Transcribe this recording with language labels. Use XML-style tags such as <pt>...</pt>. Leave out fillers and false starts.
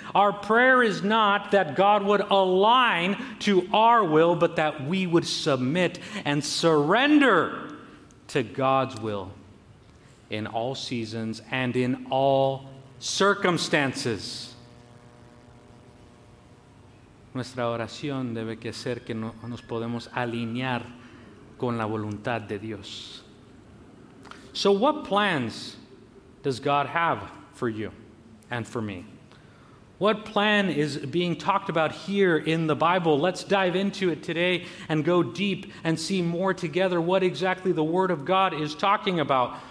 <en>Our prayer is not that God would align to our will, but that we would submit and surrender to God's will in all seasons and in all circumstances.</en> <es>Nuestra oración debe que ser que nos podemos alinear con la voluntad de Dios.</es> <en>So what plans does God have for you and for me? What plan is being talked about here in the Bible? Let's dive into it today and go deep and see more together what exactly the Word of God is talking about.</en>